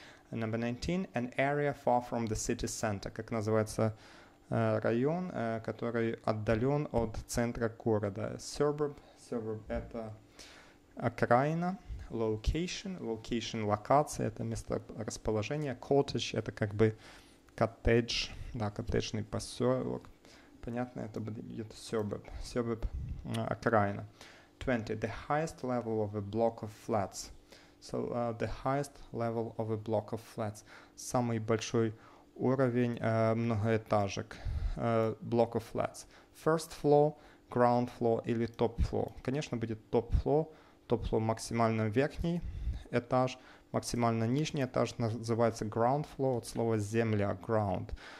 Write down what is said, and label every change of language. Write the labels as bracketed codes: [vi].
[en] Number 19, an area far from the city center. [ru] Как называется район, который отдален от центра города. Suburb — это окраина. Location — локация, это место расположения. Cottage — это как бы коттедж, да, коттеджный поселок. Понятно, это будет suburb. Suburb — окраина. [en] 20, the highest level of a block of flats. So, the highest level of a block of flats. [ru] Самый большой уровень многоэтажек. [en] Block of flats. First floor, ground floor или top floor. [ru] Конечно, будет top floor. Top floor — максимально верхний этаж. Максимально нижний этаж называется ground floor. От слова земля, ground.